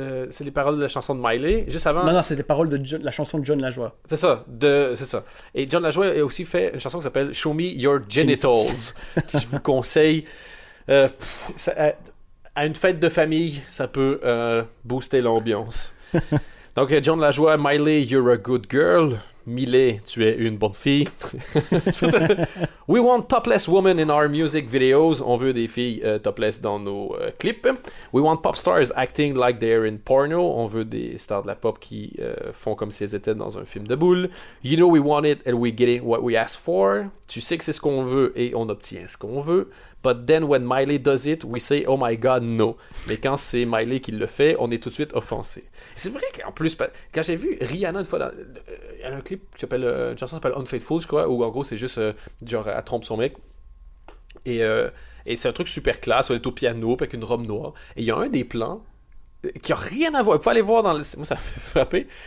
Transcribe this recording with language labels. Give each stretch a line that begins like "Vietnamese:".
French: C'est les paroles de la chanson de Miley juste avant. Non, c'est les paroles de la chanson de John Lajoie. C'est ça, c'est ça. Et John Lajoie a aussi fait une chanson qui s'appelle Show Me Your Genitals. Je vous conseille. À une fête de famille, ça peut booster l'ambiance. Donc,
English: John Lajoie, Miley, you're a good girl.
French: Miley, tu es une bonne fille.
English: We want topless women in our music videos.
French: On veut des filles topless dans nos clips.
English: We want pop stars acting like they're in porno.
French: On veut des stars de la pop qui font comme si elles étaient dans un film de boule.
English: You know we want it and we're getting what we asked for.
French: Tu sais que c'est ce qu'on veut et on obtient ce qu'on veut.
English: But then when Miley does it, we say, oh my God, no.
French: Mais quand c'est Miley qui le fait, on est tout de suite offensé. C'est vrai qu'en plus, quand j'ai vu Rihanna une fois, il y a un clip, qui s'appelle, une chanson qui s'appelle Unfaithful, je crois, où en gros, c'est juste, genre, elle trompe son mec. Et c'est un truc super classe, elle est au piano, avec une robe noire. Et il y a un des plans qui n'a rien à voir. Vous pouvez aller voir dans le... Moi, ça me fait frapper.